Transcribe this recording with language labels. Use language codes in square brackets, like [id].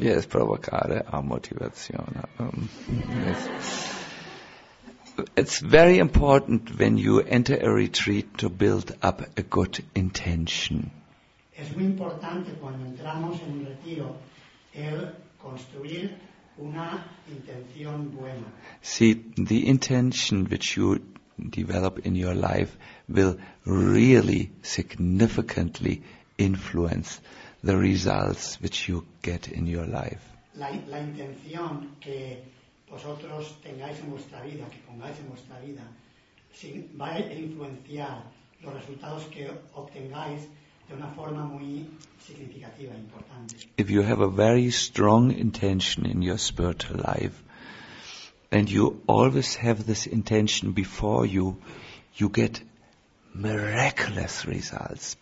[es] Yes, provocare a motivación. [en] Yes. It's very important when you enter a retreat to build up a good intention. [es] Es muy importante cuando entramos en un retiro el construir una intención buena. [en] See, the intention which you develop in your life will really significantly influence the results which you get in your life. [es] La intención que vosotros tengáis en vuestra vida, que pongáis en vuestra vida, si, va a influenciar los resultados que obtengáis de una forma muy significativa e importante. [en] If you have a very strong intention in your spiritual life, and you always have this intention before you, you get miraculous results.